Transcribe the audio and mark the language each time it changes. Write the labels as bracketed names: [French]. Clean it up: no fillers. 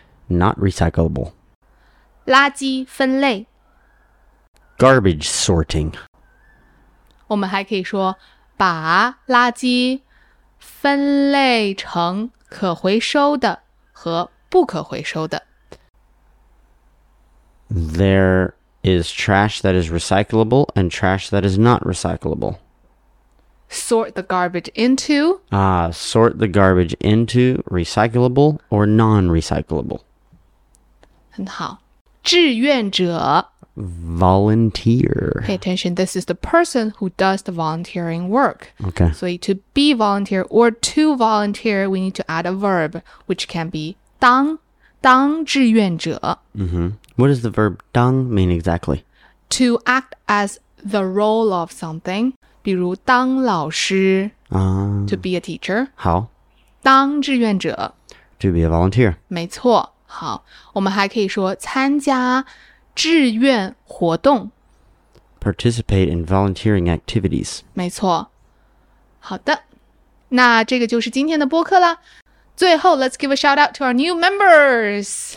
[English] not recyclable, [Chinese] 垃圾分类 [English] garbage sorting. [Chinese] 我们还可以说把垃圾分类成可回收的和不可回收的。 [English] There is trash that is recyclable and trash that is not recyclable. Sort the garbage into? Sort the garbage into recyclable or non-recyclable. [Chinese] 很好。志愿者。 [English] Volunteer. Pay attention, this is the person who does the volunteering work. Okay. So to be volunteer or to volunteer, we need to add a verb, which can be [Chinese] 当志愿者。 [English] Mm-hmm. What does the verb 当 mean exactly? To act as the role of something, [Chinese] 比如当老师、 [English] to be a teacher. [Chinese] 好。当志愿者。 [English] To be a volunteer. [Chinese] 没错。好。我们还可以说参加志愿活动 [English] Participate in volunteering activities. [Chinese] 没错。好的，那这个就是今天的播客了。最后 [English] let's give a shout out to our new members.